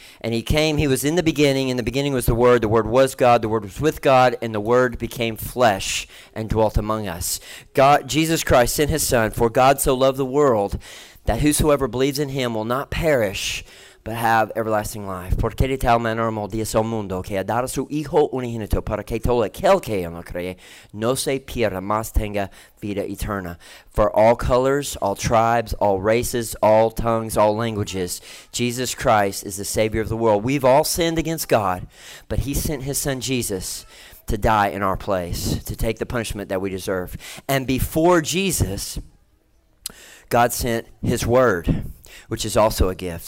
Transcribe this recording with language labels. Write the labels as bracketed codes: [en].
[en] And he came, he was in the beginning. In the beginning was the Word was God, the Word was with God, and the Word became flesh and dwelt among us. God, Jesus Christ sent his Son, for God so loved the world that whosoever believes in him will not perish, but have everlasting life. [es] Porque de tal manera amó Dios al mundo que ha dado su hijo unigénito para que todo aquel que en él cree no se pierda, mas tenga vida eterna. [en] For all colors, all tribes, all races, all tongues, all languages, Jesus Christ is the Savior of the world. We've all sinned against God, but he sent his Son Jesus to die in our place, to take the punishment that we deserve. And before Jesus, God sent his Word, which is also a gift.